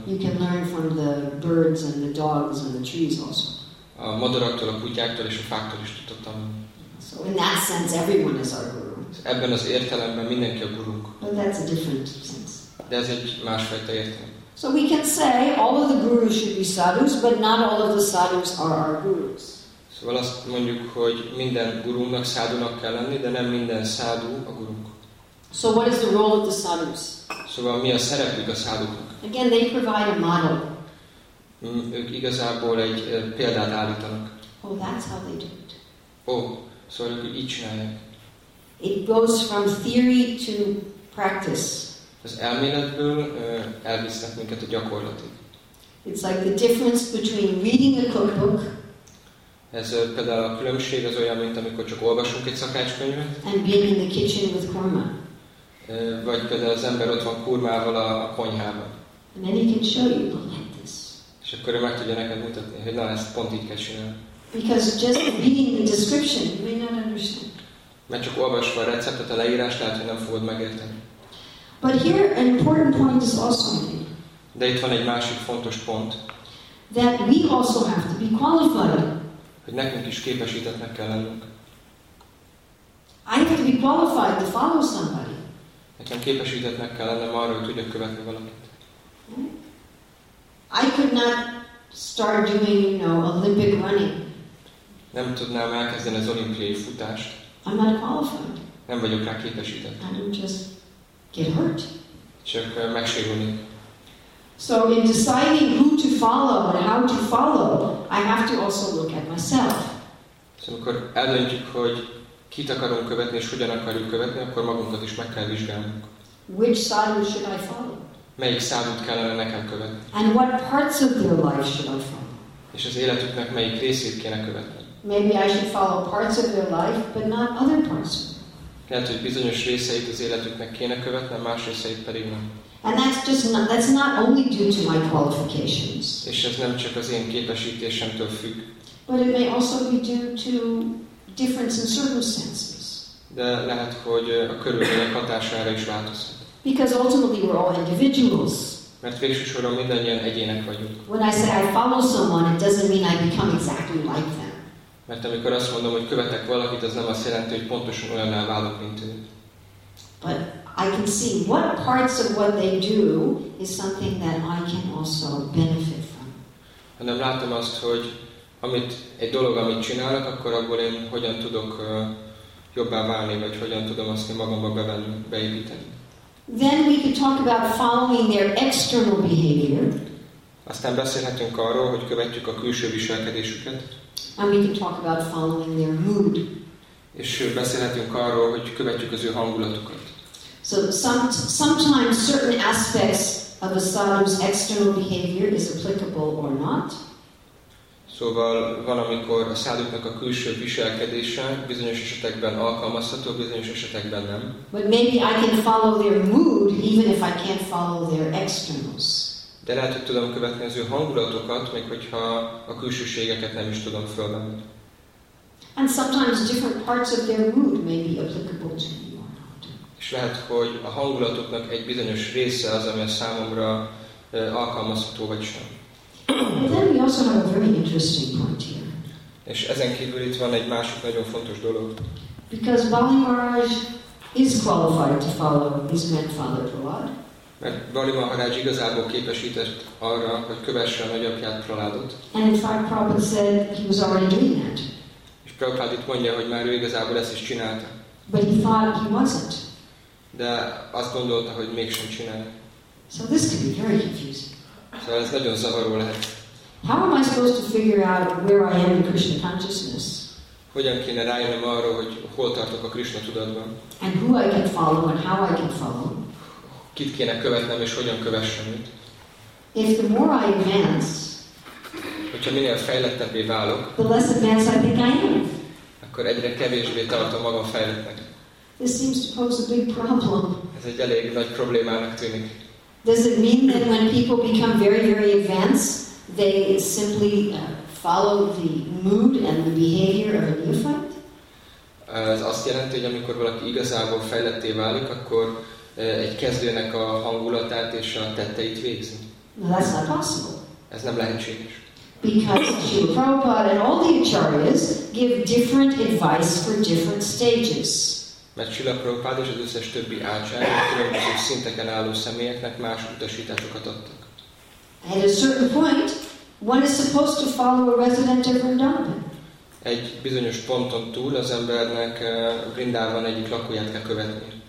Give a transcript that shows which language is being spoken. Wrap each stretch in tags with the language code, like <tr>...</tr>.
<en>You can learn from the birds and the dogs and the trees also.</en> <hu>A madaraktól, a kutyáktól és a fáktól is tudtok tanulni.</hu> <en>So in that sense, everyone is our guru.</en> <hu>Ebben az értelemben mindenki a gurunk.</hu> <en>But that's a different sense.</en> <hu>De ez egy másfajta értelem.</hu> <en>So we can say all of the gurus should be sadhus, but not all of the sadhus are our gurus.</en> <hu>Szóval azt mondjuk, hogy minden gurúnak, szádunak kell lenni, de nem minden szádú a gurunk.</hu> <en>So what is the role of the sadhus?</en> <hu>Szóval mi a szerepük a szádunknak?</hu> <en>Again, they provide a model.</en> <hu>Ők igazából egy példát állítanak.</hu> <en>Oh, that's how they do it.</en> <hu>Oh, szóval ők így csinálják.</hu> <en>It goes from theory to practice.</en> <hu>Az elméletből elvisznek minket a gyakorlatig.</hu> <en>It's like the difference between reading a cookbook.</en> <hu>Ez például a különbség az olyan, mint amikor csak olvasunk egy szakácskönyvet.</hu> <en>And being in the kitchen with korma.</en> <hu>Vagy például az ember ott van kurmával a konyhában.</hu> <en>And then he can show you, but like this.</en> <hu>És akkor ő meg tudja neked mutatni, hogy na, ezt pont így kell csinálni.</hu> <en>Because just reading the description, you may not understand.</en> <hu>Mert csak olvasva a receptet, a leírást, lehet, hogy nem fogod megérteni.</hu> <en>But here an important point is also made.</en> <hu>De itt van egy másik fontos pont.</hu> <en>That we also have to be qualified.</en> <hu>Hogy nekünk is képesítettnek kell lennünk.</hu> <en>I have to be qualified to follow somebody.</en> <hu>Nekem képesítettnek kell lennem arra, hogy tudjak követni valakit.</hu> <en>I could not start doing, you know, Olympic running.</en> <hu>Nem tudnám elkezdeni az olimpiai futást.</hu> <en>I'm not qualified.</en> <hu>Nem vagyok rá képesített.</hu> <en>I would just get hurt.</en> <hu>Csak megsérülni.</hu> <en>So in deciding who to follow and how to follow, I have to also look at myself.</en> <hu>So amikor eldöntjük, hogy kit akarunk követni és hogyan akarjuk követni, akkor magunkat is meg kell vizsgálnunk.</hu> <en>Which sadhu should I follow?</en> <hu>Melyik sadhut kellene nekem követni?</hu> <en>And what parts of their life should I follow?</en> <hu>És az életüknek melyik részét kéne követni?</hu> <en>Maybe I should follow parts of their life, but not other parts.</en> <hu>Lehet, hogy bizonyos részeit az életüknek kéne követni, más részeit pedig nem.</hu> <en>And that's not only due to my qualifications.</en> <hu>És ez nem csak az én képesítésemtől függ.</hu> <en>But it may also be due to difference in circumstances.</en> <hu>De lehet, hogy a körülmények hatására is változhat.</hu> <en>Because ultimately we're all individuals.</en> <hu>Mert végső soron mindannyian egyének vagyunk.</hu> <en>When I say I follow someone, it doesn't mean I become exactly like them.</en> <hu>Mert amikor azt mondom, hogy követek valakit, az nem azt jelenti, hogy pontosan olyannál válok, mint ő.</hu> <en>But I can see what parts of what they do is something that I can also benefit from.</en> <hu>Hanem látom azt, hogy amit csinálnak, akkor abból én hogyan tudok jobbá válni, vagy hogyan tudom azt én magamba beépíteni.</hu> <en>Then we can talk about following their external behavior.</en> <hu>Aztán beszélhetünk arról, hogy követjük a külső viselkedésüket.</hu> <en>And we can talk about following their mood.</en> <hu>És beszélhetünk arról, hogy követjük az ő hangulatukat.</hu> <en>So sometimes certain aspects of a sadhu's external behavior is applicable or not.</en> <hu>Szóval valamikor a sadhuknak a külső viselkedése bizonyos esetekben alkalmazható, bizonyos esetekben nem.</hu> <en>But maybe I can follow their mood even if I can't follow their externals.</en> <hu>De lehet, hogy tudom követni az ő hangulatokat, még hogyha a külsőségeket nem is tudom fölvenni.</hu> <en>And sometimes different parts of their mood may be applicable to you or not.</en> <hu>És lehet, hogy a hangulatoknak egy bizonyos része az, ami a számomra alkalmazható vagy sem.</hu> <en>And then we also have a very interesting point here.</en> <hu>És ezen kívül itt van egy másik nagyon fontos dolog.</hu> <en>Because Bali Maharaj is qualified to follow his grandfather Prahlad.</en> <hu>Mert Bali Maharaj igazából képesített arra, hogy kövesse a nagyapját Prahladot.</hu> <en>And in fact, Prabhupada said he was already doing that.</en> <hu>És Prabhupada itt mondja, hogy már ő igazából ezt is csinálta.</hu> <en>But he thought he wasn't.</en> <hu>De azt gondolta, hogy mégsem csinálja.</hu> <en>So this could be very confusing.</en> <hu>Szóval ez nagyon zavaró lehet.</hu> <en>How am I supposed to figure out where I am in Krishna consciousness?</en> <hu>Hogyan kéne rájönnöm arról, hogy hol tartok a Krishna tudatban?</hu> <en>And who I can follow and how I can follow?</en> <hu>Kit kéne követnem és hogyan kövessem őt?</hu> <en>If the more I advance,</en> <hu>hogyha minél fejlettebbé válok,</hu> <en>the less advanced I think I am.</en> <hu>Akkor egyre kevésbé tartom magam fejlettnek.</hu> <en>This seems to pose a big problem.</en> <hu>Ez egy elég nagy problémának tűnik.</hu> <en>Does it mean that when people become very, very advanced, they simply follow the mood and the behavior of a neophyte?</en> <hu>Ez azt jelenti, hogy amikor valaki igazából fejletté válik, akkor egy kezdőnek a hangulatát és a tetteit végzi.</hu> <en>Well, that's not possible.</en> <hu>Ez nem lehetséges.</hu> <en>Because Srila Prabhupada and all the acharyas give different advice for different stages.</en> <hu>Mert Srila Prabhupada és az összes többi ácsár, a különböző szinteken álló személyeknek más utasításokat adtak.</hu> <en>At a certain point, one is supposed to follow a resident of Vrindavan.</en> <hu>Egy bizonyos ponton túl az embernek Vrindavan egyik lakóját kell követni.</hu>